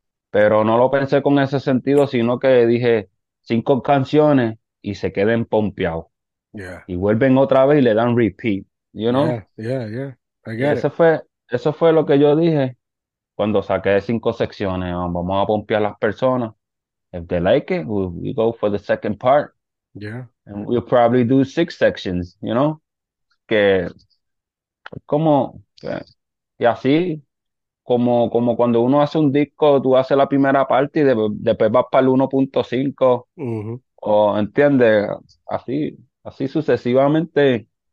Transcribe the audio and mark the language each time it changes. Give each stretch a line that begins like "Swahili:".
Spanish: Pero no lo pensé con ese sentido, sino que dije cinco canciones y se queden pompeados. Y vuelven otra vez y le dan repeat,
English: you know? I
Spanish: Y
English: get it.
Spanish: eso fue lo que yo dije cuando saqué cinco secciones. Vamos a pompear las personas.
English: If they like it, we go for the second part. And we'll probably do six sections, you know?
Spanish: Que como, y así, como cuando uno hace un disco, tú haces la primera parte y después vas para el 1.5. O, ¿entiendes? Así, así sucesivamente.